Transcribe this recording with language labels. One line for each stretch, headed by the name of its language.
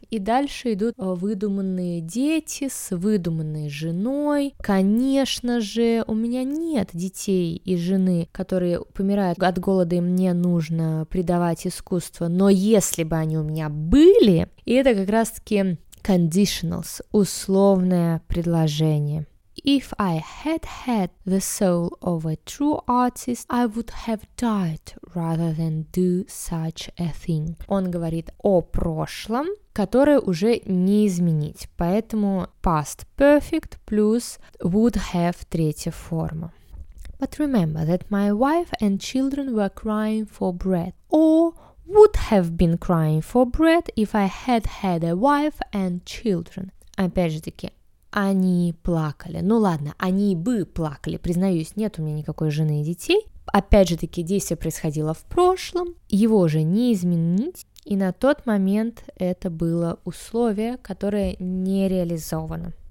Russian: И дальше идут выдуманные дети с выдуманной женой. Конечно же, у меня нет детей и жены, которые помирают от голода, и мне нужно придавать искусство. Но если бы они у меня были, и это как раз-таки conditionals, условное предложение.
English: If I had had the soul of a true artist, I would have died rather than do such a thing.
Russian: Он говорит о прошлом, которое уже не изменить. Поэтому past perfect плюс would have третья форма.
English: But remember that my wife and children were crying for bread. Or would have been crying for bread if I had had a wife and children.
Russian: Опять же таки, они плакали. Ну ладно, они бы плакали, признаюсь, нет у меня никакой жены и детей. Опять же таки, действие происходило в прошлом, его же не изменить, и на тот момент это было условие, которое не реализовано.